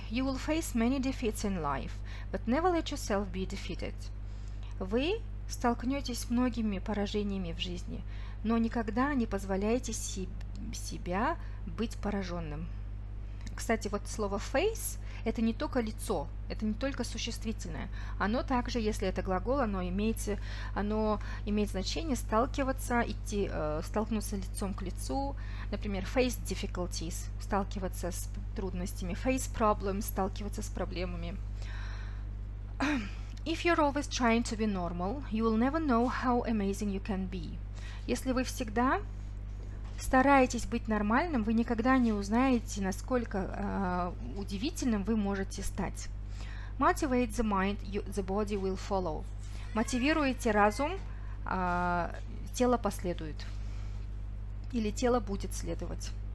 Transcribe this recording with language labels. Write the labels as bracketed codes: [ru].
[en] «You will face many defeats in life, but never let yourself be defeated». [ru] Вы столкнетесь с многими поражениями в жизни, но никогда не позволяйте себя быть пораженным. Кстати, вот слово face – это не только лицо, это не только существительное. Оно также, если это глагол, оно имеет значение сталкиваться, идти, столкнуться лицом к лицу. Например, face difficulties – сталкиваться с трудностями. Face problems – сталкиваться с проблемами. [en] If you're always trying to be normal, you will never know how amazing you can be. [ru] Если вы всегда стараетесь быть нормальным, вы никогда не узнаете, насколько удивительным вы можете стать. [en] Motivate the mind, the body will follow. [ru] Мотивируйте разум, тело последует. Или тело будет следовать.